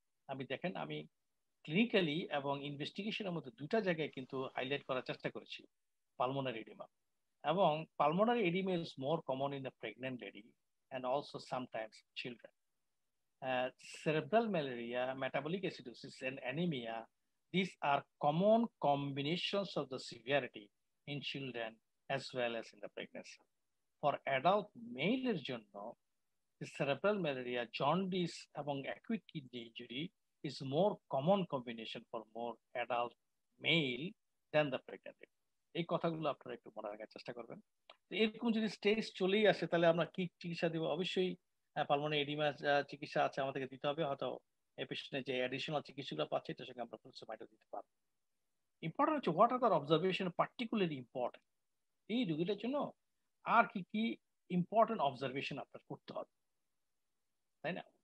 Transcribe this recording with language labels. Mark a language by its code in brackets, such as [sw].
[bn] আমি দেখেন আমি ক্লিনিক্যালি এবং ইনভেস্টিগেশনের মধ্যে দুটা জায়গায় কিন্তু হাইলাইট করার চেষ্টা করেছি [en] Pulmonary oedema, এবং pulmonary oedema is more common in the pregnant lady and also sometimes children. Cerebral malaria, metabolic acidosis and anaemia, this are common combinations of the severity in children as well as in the pregnancy. For adult মেলের জন্য cerebral malaria, jaundice এবং acute kidney injury is more common combination for more adult male than the pregnant lady. [bn] এই কথাগুলো আপনারা একটু মনে রাখার চেষ্টা করবেন। তো এরকম যদি স্টেজ চলেই আসে তাহলে আমরা কি চিকিৎসা দেবো? অবশ্যই পালমোনারি এডিমা চিকিৎসা আছে আমাদেরকে দিতে হবে, হয়তো এ পেশেন্টে যে অ্যাডিশনাল চিকিৎসাগুলো পাচ্ছে এটার সঙ্গে আমরা ফ্লুক্সামাইডও দিতে পারবো। ইম্পর্টেন্ট হচ্ছে [en] what are their observation particularly important [bn] এই রোগীটার জন্য, আর কি কি ইম্পর্টেন্ট অবজারভেশন আপনার করতে হবে, তাই না?